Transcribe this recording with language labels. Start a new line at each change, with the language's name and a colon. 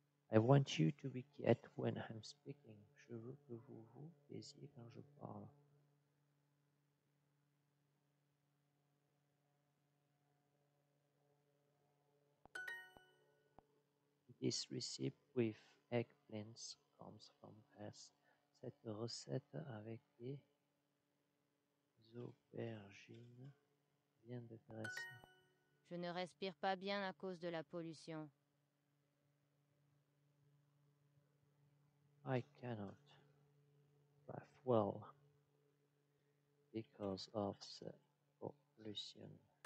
English: I want you to be quiet when I'm speaking.
French: Je veux que vous vous taisiez quand je parle.
English: This recipe with eggplants comes from Greece.
French: Cette recette avec des aubergines vient de Grèce. Je ne respire pas bien à cause de la pollution.
English: I cannot breathe well because of the pollution.